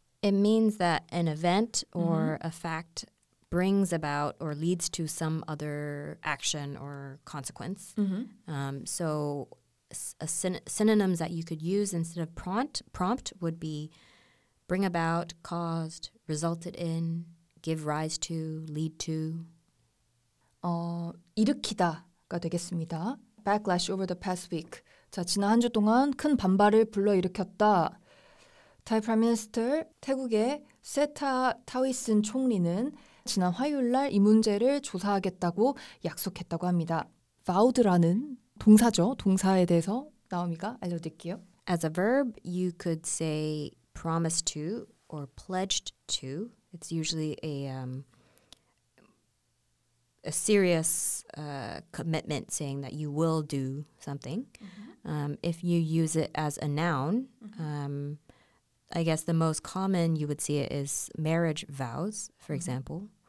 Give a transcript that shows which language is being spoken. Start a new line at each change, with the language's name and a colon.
English: It means that an event or mm-hmm. a fact brings about or leads to some other action or consequence. Mm-hmm. So synonyms that you could use instead of prompt would be bring about, caused, resulted in, give rise to, lead to.
Korean: 일으키다가 되겠습니다.
English: Backlash over the past week.
Korean: 자, 지난 한 주 동안 큰 반발을 불러일으켰다.
English: Thai Prime Minister,
Korean: 태국의 세타 타위슨 총리는 지난 화요일 날 이 문제를 조사하겠다고 약속했다고 합니다. Vowed라는 동사죠. 동사에 대해서 나오미가 알려드릴게요.
English: As a verb, you could say promised to or pledged to. It's usually a serious commitment saying that you will do something. Mm-hmm. If you use it as a noun, mm-hmm. I guess the most common you would see it is marriage vows, for mm-hmm. example.